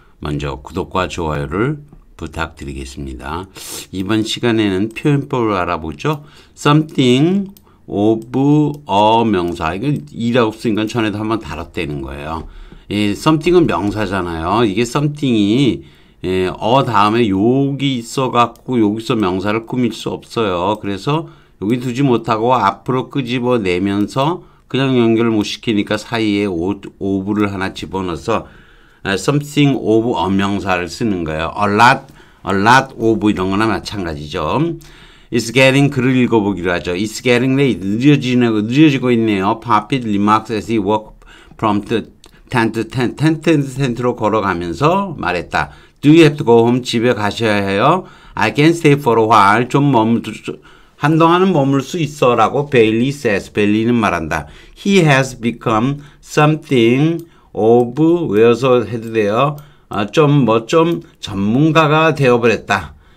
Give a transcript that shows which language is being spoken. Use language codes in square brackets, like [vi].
[ko] 먼저 구독과 좋아요를 부탁드리겠습니다. 이번 시간에는 표현법을 알아보죠. [en] Something of a [ko] 명사. 이건 이라고 쓰인 건 전에도 한번 다뤘다는 거예요. 예, something은 명사잖아요. 이게 something이 예, 다음에 여기 있어갖고 여기서 명사를 꾸밀 수 없어요. 그래서 여기 두지 못하고 앞으로 끄집어내면서 그냥 연결을 못 시키니까 사이에 오브를 하나 집어넣어서 something of a 명사를 쓰는 거예요. [en] A lot of [ko] 이런 거나 마찬가지죠. [en] It's getting [ko] 글을 읽어보기로 하죠. [en] It's getting late. [ko] 늦어지고 있네요. [en] Poppy remarks as he walked from tent to tent. [ko] Tent to tent로 걸어가면서 말했다. [en] Do you have to go home? [ko] 집에 가셔야 해요. [en] I can stay for a while. [ko] 좀 한동안은 머물 수 있어라고 베일리 [en] says. [ko] 베일리는 말한다. [en] He has become something of [ko] 외워서 해도 돼요. 좀 전문가가 되어버렸다.